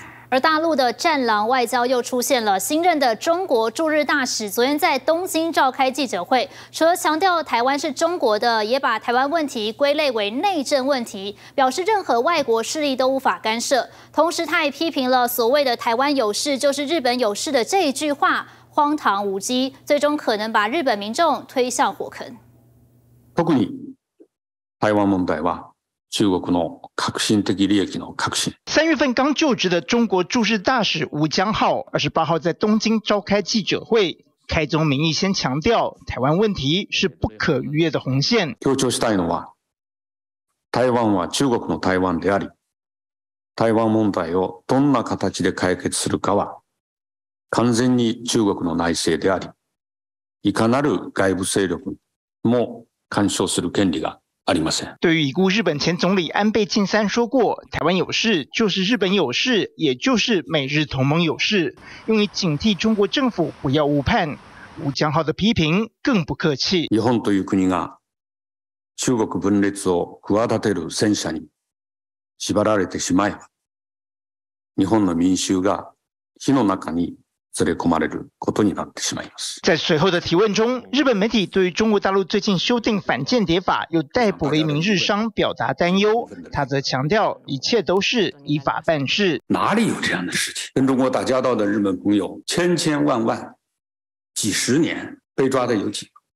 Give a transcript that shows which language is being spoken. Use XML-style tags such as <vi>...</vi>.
<zh>而大陆的战狼外交又出现了，新任的中国驻日大使昨天在东京召开记者会，除了强调台湾是中国的，也把台湾问题归类为内政问题，表示任何外国势力都无法干涉。同时他也批评了所谓的台湾有事就是日本有事的这一句话荒唐无稽，最终可能把日本民众推向火坑。</zh> <ja>特に台湾問題は中国の核心的利益の核心。</ja> <zh>三月份刚就职的中国驻日大使吴江浩，28号在东京召开记者会，开宗明义先强调，台湾问题是不可逾越的红线。</zh> <ja>強調したいのは、台湾は中国の台湾であり、台湾問題をどんな形で解決するかは完全に中国の内政であり、いかなる外部勢力も干渉する権利がありません。</ja> <zh>对于已故日本前总理安倍晋三说过，台湾有事就是日本有事，也就是美日同盟有事，用于警惕中国政府不要误判。吴江浩的批评更不客气。</zh> <ja>日本という国が中国分裂を企てる戦車に縛られてしまえば、日本の民衆が火の中に連れ込まれることになってしまいます。</ja> <zh>在随后的提问中，日本媒体对于中国大陆最近修订反间谍法，又逮捕了一名日商，表达担忧。他则强调，一切都是依法办事。哪里有这样的事情？跟中国打交道的日本朋友千千万万，几十年被抓的有几个？</zh>